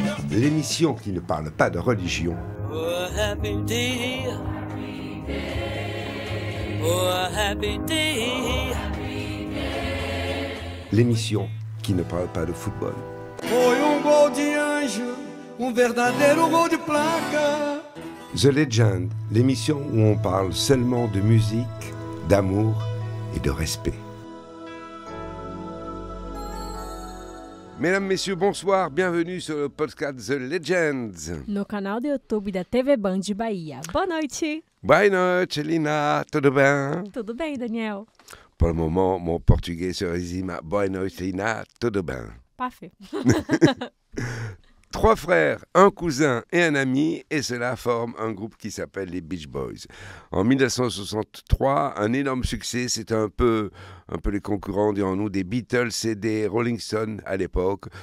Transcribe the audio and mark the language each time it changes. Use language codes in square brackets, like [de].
[fr] L'émission qui ne parle pas de religion. [en] Oh, happy day. Oh, happy day. [fr] L'émission qui ne parle pas de football. [pt] Foi um gol de anjo, um verdadeiro gol de placa. [fr] The Legend, l'émission où on parle seulement de musique, d'amour et de respect. Mesdames, Messieurs, bonsoir, bienvenue sur le podcast The Legends. [pt] No canal do YouTube da TV Band de Bahia. Boa noite. Boa noite, Lina. Tudo bem? Tudo bem, Daniel. Por o momento, meu português se resume a boa noite, Lina. Tudo bem? [fr] Parfait. Trois frères, un cousin et un ami, et cela forme un groupe qui s'appelle les Beach Boys. En 1963, un énorme succès, c'était un peu les concurrents, dirons-nous, des Beatles et des Rolling Stones à l'époque.